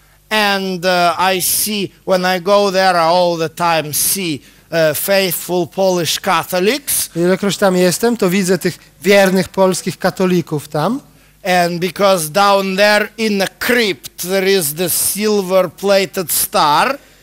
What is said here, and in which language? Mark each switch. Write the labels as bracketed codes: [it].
[en] And I see, when I go there, I all the time see faithful Polish Catholics. [pl] Ilekroć tam jestem, to widzę tych wiernych polskich katolików tam. [en] And because down there in the crypt there is the silver-plated star,